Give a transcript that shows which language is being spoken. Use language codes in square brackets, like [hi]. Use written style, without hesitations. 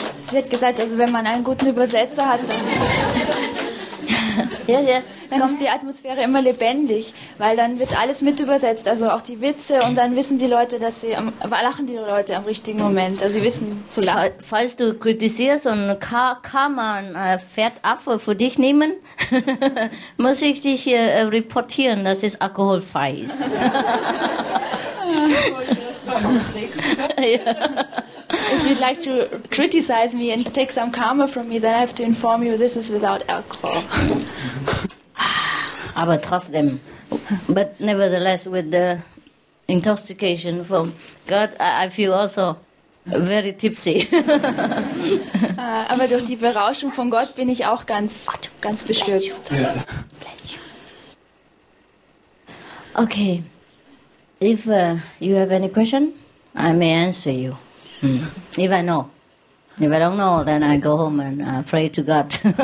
[de] Sie hat gesagt, also wenn man einen guten Übersetzer hat, dann, dann ist die Atmosphäre immer lebendig, weil dann wird alles mit übersetzt, also auch die Witze, und dann wissen die Leute, dass sie, lachen die Leute am richtigen Moment, also sie wissen zu lachen. Falls du kritisierst und kann man Pferdaffe für dich nehmen, muss ich dich hier reportieren, dass es alkoholfrei ist. Ja. [en] If you'd like to criticize me and take some karma from me, then I have to inform you this is without alcohol. [de] Aber trotzdem. [en] But nevertheless, with the intoxication from God, I feel also very tipsy. [de] Aber durch die Berauschung von Gott bin ich auch ganz beschwipst. [en] Okay. If you have any question, I may answer you. If I know. If I don't know, then I go home and pray to God.